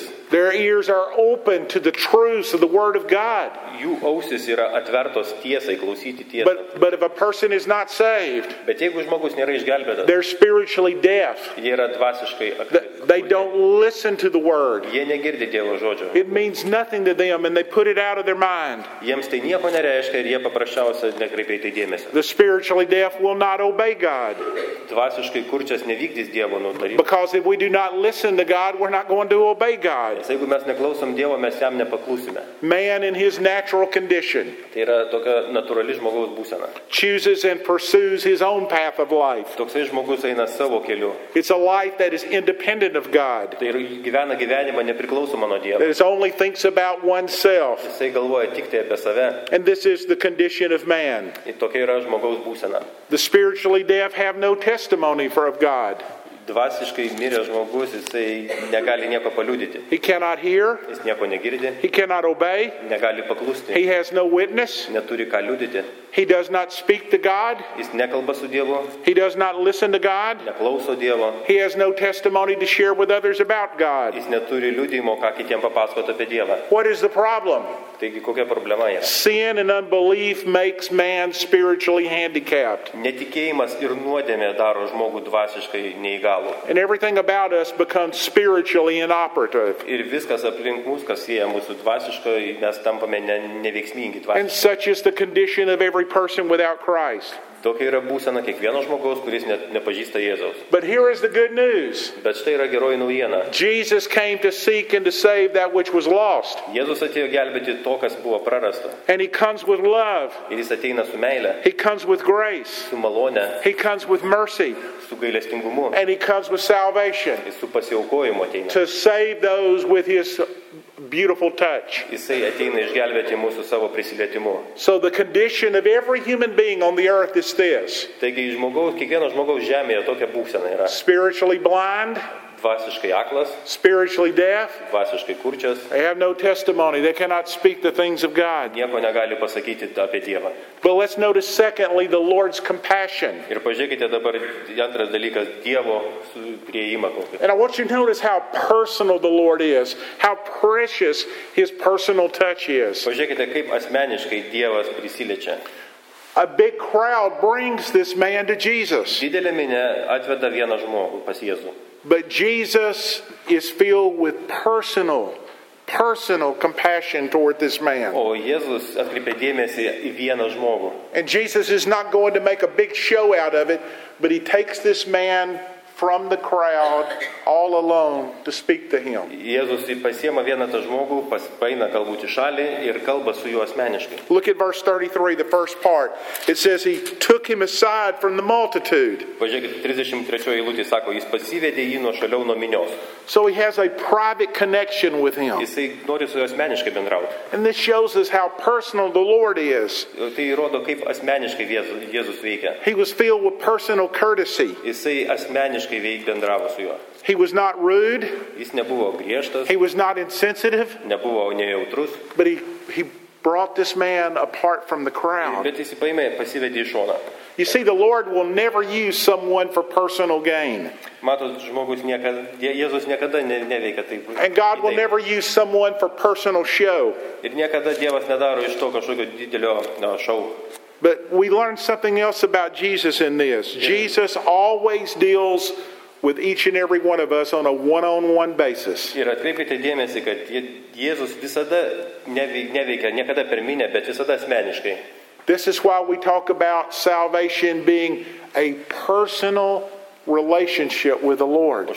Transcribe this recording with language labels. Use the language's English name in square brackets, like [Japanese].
[English] Their ears are open to the truths of the Word of God. [Lithuanian] Jų ausis yra atvertos tiesai, klausyti tiesą. [English] But if a person is not saved, [Lithuanian] bet jeigu žmogus nėra išgelbėtas, [English] they're spiritually deaf. [Lithuanian] Jie yra dvasiškai akli. [English] They don't listen to the Word. [Lithuanian] Jie negirdi Dievo žodžio. [English] It means nothing to them and they put it out of their mind. [Lithuanian] Jiems tai nieko nereiškia ir jie paprasčiausiai nekreipia į tai dėmesio. [English] The spiritually deaf will not obey God. [Lithuanian] Dvasiškai kurčias nevykdys Dievo nutarimų. [English] Because if we do not listen to God, we're not going to obey God. [Lithuanian] Jeigu mes neklausom Dievo, mes jam nepaklausime. [English] Man in his natural condition. [Lithuanian] Tai yra tokia natūrali žmogaus būsena. [English] Chooses and pursues his own path of life. [Lithuanian] Toksai žmogus eina savo keliu. [English] It's a life that is independent of God. [Lithuanian] Tai yra gyvena gyvenimą nepriklausomą nuo Dievo. [English] It only thinks about oneself. [Lithuanian] Jisai galvoja tik tai apie save. [English] And this is the condition of man. [Lithuanian] Ir tokia yra žmogaus būsena. [English] The spiritually deaf have no testimony for of God. [Lithuanian] Dvasiškai miręs žmogus, jisai negali nieko paliudyti. [English] He cannot hear. [Lithuanian] Jis nieko negirdi. [English] He cannot obey. [Lithuanian] Negali paklusti. [English] He has no witness. [Lithuanian] Neturi ką liudyti. [English] He does not speak to God. [Lithuanian] Jis nekalba su Dievu. [English] He does not listen to God. [Lithuanian] Neklauso Dievo. [English] He has no testimony to share with others about God. [Lithuanian] Jis neturi liudijimo, ką kitiem papasakoti apie Dievą. [English] What is the problem? [Lithuanian] Taigi, kokia problema yra? [English] Sin and unbelief makes man spiritually handicapped. [Lithuanian] Netikėjimas ir nuodėmė daro žmogų dvasiškai neįgalų. [English] And everything about us becomes spiritually inoperative. [Lithuanian] Ir viskas aplink mus, kas sieja mūsų dvasiškai, mes tampame neveiksmingi dvasiškai. [English] And such is the condition of every person without Christ. [Lithuanian] Tokia yra būsena kiekvieno žmogaus, kuris nepažįsta Jėzaus. [English] But here is the good news. [Lithuanian] Bet štai yra geroji naujiena. [English] Jesus came to seek and to save that which was lost. [Lithuanian] Jėzus atėjo gelbėti to, kas buvo prarasta. [English] And he comes with love. [Lithuanian] Ir jis ateina su meile. [English] He comes with grace. [Lithuanian] Su malone. [English] He comes with mercy. [Lithuanian] Su gailestingumu. [English] And he comes with salvation. [Lithuanian] Ir su pasiaukojimu ateina. [English] To save those with his beautiful touch. [Lithuanian] Jisai ateina išgelbėti mūsų savo prisilietimu. [English] So the condition of every human being on the earth is this. [Lithuanian] Taigi žmogaus, kiekvieno žmogaus žemėje tokia būsena yra. [English] Spiritually blind. [Lithuanian] Dvasiškai aklas. [English] Spiritually deaf. [Lithuanian] Dvasiškai kurčias. [English] They have no testimony. They cannot speak the things of God. [Lithuanian] Nieko negali pasakyti apie Dievą. [English] But let's notice secondly the Lord's compassion. [Lithuanian] Ir pažiūrėkite dabar antras dalykas, Dievo priėjimą. [English] And I want you to notice how personal the Lord is, how precious his personal touch is. [Lithuanian] Pažiūrėkite, kaip asmeniškai Dievas prisiliečia. [English] A big crowd brings this man to Jesus. [Lithuanian] Didelė minia atveda vieną žmogų pas Jėzų. [English] But Jesus is filled with personal compassion toward this man. [Lithuanian] O Jėzus atkreipė dėmesį į vieną žmogų. [English] And Jesus is not going to make a big show out of it, but he takes this man from the crowd all alone to speak to him. [Lithuanian] Jėzus pasiema vieną tą žmogų, paeina galbūt į šalį ir kalba su juo asmeniškai. [English] Look at verse 33, the first part. It says he took him aside from the multitude. [Lithuanian] Pažiūrėkite, 33 eilutė sako, jis pasivedė jį nuo šaliau nuo minios. [English] So he has a private connection with him. [Lithuanian] Jisai nori su juo asmeniškai bendrauti. [English] And this shows us how personal the Lord is. [Lithuanian] Tai rodo, kaip asmeniškai Jėzus veikia. [English] He was filled with personal courtesy. [Lithuanian] Jisai asmeniškai veikia bendravo su juo. [English] He was not rude. [Lithuanian] Jis nebuvo griežtas. [English] He was not insensitive. [Lithuanian] Nebuvo nejautrus. [English] But he brought this man apart from the crowd. [Lithuanian] Bet jis paėmė, pasivedė į šoną. [English] You see, the Lord will never use someone for personal gain. And God will never use someone for personal show. But we learn something else about Jesus in this. Jesus always deals with each and every one of us on a one-on-one basis. [Lithuanian] Ir atkreipkite dėmesį, kad Jėzus visada neveikia niekada per minę, bet visada asmeniškai. [English] This is why we talk about salvation being a personal relationship with the Lord.